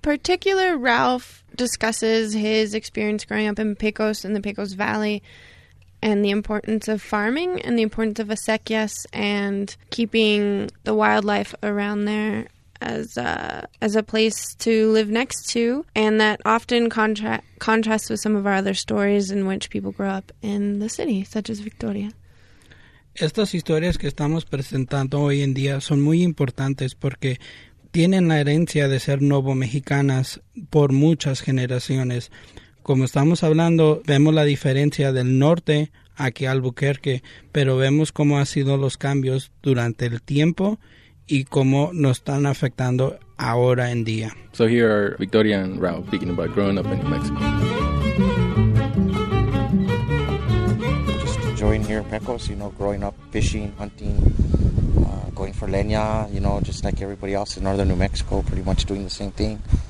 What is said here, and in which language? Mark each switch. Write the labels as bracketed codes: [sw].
[en] Particular Ralph discusses his experience growing up in Pecos and the Pecos Valley, and the importance of farming and the importance of acequias and keeping the wildlife around there as a place to live next to. And that often contrasts with some of our other stories in which people grow up in the city, such as Victoria. [es] Estas historias que estamos presentando hoy en día son muy importantes porque tienen la herencia de ser Nuevo Mexicanas por muchas generaciones. Como estamos hablando, vemos la diferencia del norte aquí a Albuquerque, pero vemos cómo han sido los cambios durante el tiempo y cómo nos están afectando ahora en día. [en] So here are Victoria and Ralph speaking about growing up in New Mexico. Just enjoying here in Pecos, you know, growing up fishing, hunting, going for leña, you know, just like everybody else in northern New Mexico, pretty much doing the same thing.